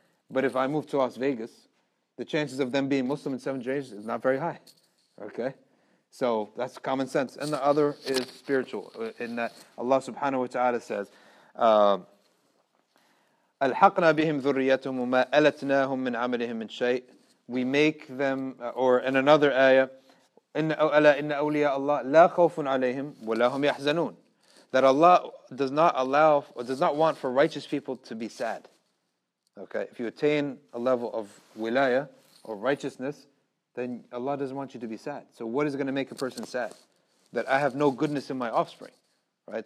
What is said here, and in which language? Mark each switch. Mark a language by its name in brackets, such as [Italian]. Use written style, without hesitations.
[English] But if I moved to Las Vegas, the chances of them being Muslim in seven generations is not very high. Okay? So that's common sense. And the other is spiritual, in that Allah subhanahu wa ta'ala says, [Arabic] أَلْحَقْنَا بِهِمْ ذُرِّيَّتُهُمْ وَمَا أَلَتْنَاهُمْ مِنْ عَمَلِهِمْ مِنْ شَيْءٍ. [English] We make them, or in another ayah, [Arabic] إِنَّ أَوْلِيَاءَ اللَّهِ لَا خَوْفٌ عَلَيْهِمْ وَلَا هُمْ يَحْزَنُونَ. [English] That Allah does not allow, or does not want for righteous people to be sad. Okay, if you attain a level of wilaya or righteousness, then Allah doesn't want you to be sad. So what is going to make a person sad? That I have no goodness in my offspring. Right?